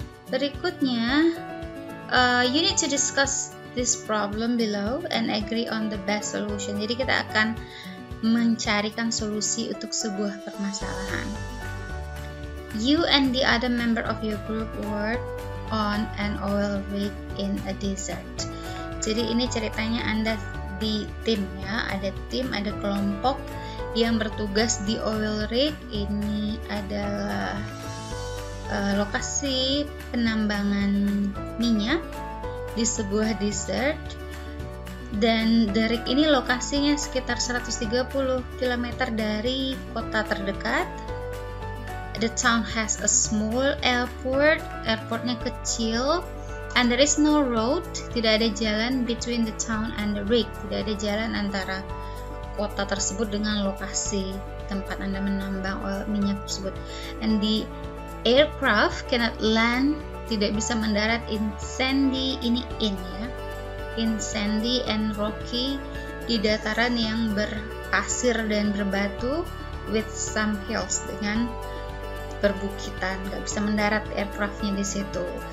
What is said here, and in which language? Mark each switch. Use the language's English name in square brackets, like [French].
[Indonesian] Berikutnya, [English] you need to discuss this problem below and agree on the best solution. [Indonesian] Jadi kita akan mencarikan solusi untuk sebuah permasalahan. [English] You and the other member of your group work on an oil rig in a desert. [Indonesian] Jadi ini ceritanya Anda di tim ya, ada tim, ada kelompok yang bertugas di oil rig. Ini adalah lokasi penambangan minyak di sebuah desert, dan dari ini lokasinya sekitar 130 km dari kota terdekat. [English] The town has a small airport, [Indonesian] airportnya kecil, [English] And there is no road, [Indonesian] tidak ada jalan [English] between the town and the rig, [Indonesian] tidak ada jalan antara kota tersebut dengan lokasi tempat Anda menambang oil minyak tersebut. [English] And the aircraft cannot land, [Indonesian] tidak bisa mendarat in sandy, ini in ya, [English] in sandy and rocky, [Indonesian] di dataran yang berpasir dan berbatu, [English] with some hills, [Indonesian] dengan perbukitan, gak bisa mendarat aircraftnya di situ.